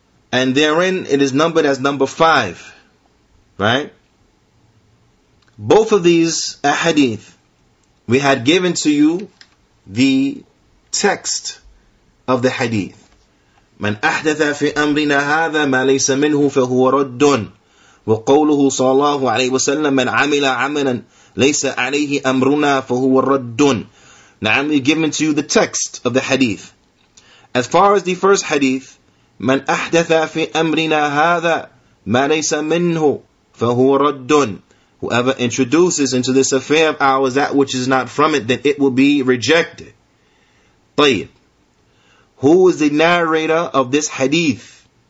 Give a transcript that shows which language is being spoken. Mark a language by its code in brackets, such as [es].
[en] And therein it is numbered as number 5, right? Both of these hadith, we had given to you the text of the hadith. [ar] من أحدث في أمرنا هذا ما ليس منه فهو رد وقوله صلى الله عليه وسلم من عمل عملا ليس عليه أمرنا فهو رد. نعم, [en] we've given to you the text of the hadith. As far as the first hadith, [ar] من أحدث في أمرنا هذا ما ليس منه فهو رد. [en] Whoever introduces into this affair of ours that which is not from it, then it will be rejected. [ar] طيب, [en] who is the narrator of this hadith?